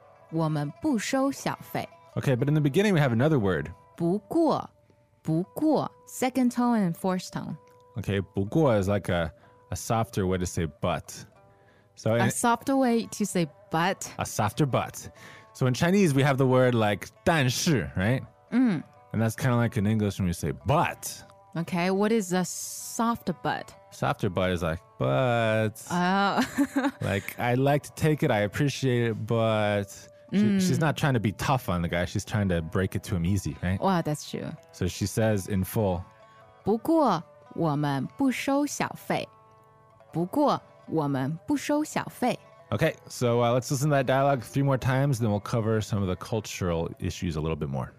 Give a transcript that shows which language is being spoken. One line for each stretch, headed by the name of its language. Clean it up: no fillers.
Chinese: 我们不收小费。我们不收小费.
English: Okay, but in the beginning we have another word. 不过, second tone and fourth tone. Okay, 不过 is like a softer way to say but. So a softer way to say but. A softer but. So in Chinese we have the word like 但是, right? And that's kind of like in English when we say but. Okay, what is a softer but? Softer but is like, but, like, I'd like to take it, I appreciate it, but she's not trying to be tough on the guy, she's trying to break it to him easy, right? Wow, that's true. So she says in full,
Chinese: 不过我们不收小费。不过我们不收小费。
English: Okay, so let's listen to that dialogue 3 more times, then we'll cover some of the cultural issues a little bit more.